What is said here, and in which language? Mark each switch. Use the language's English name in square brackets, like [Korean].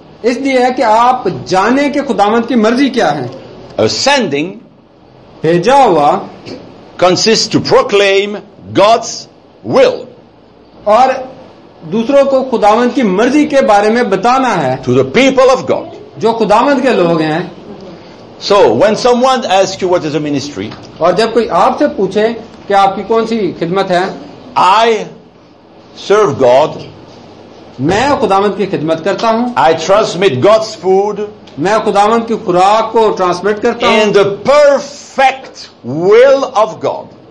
[Hindi] इसलिए है कि आप जाने के खुदावंत की मर्जी क्या है. [English] sending, [Hindi] भेजा हुआ. [English] Consists to proclaim God's will. [Hindi] और दूसरों को खुदावंद की मर्जी के बारे में बताना है. [English] To the people of God. [Hindi] जो खुदावंद के लोग हैं. [English] So when someone asks you what is a ministry. [Hindi] और जब कोई आपसे पूछे कि आपकी कौन सी खिदमत है. [English] I serve God. [Hindi] मैं खुदावंद की खिदमत करता हूँ. [English] I transmit God's food. [Hindi] मैं खुदावंद की खुराक को ट्रांसमिट करता हूँ. [English] In the perfect fact will of God,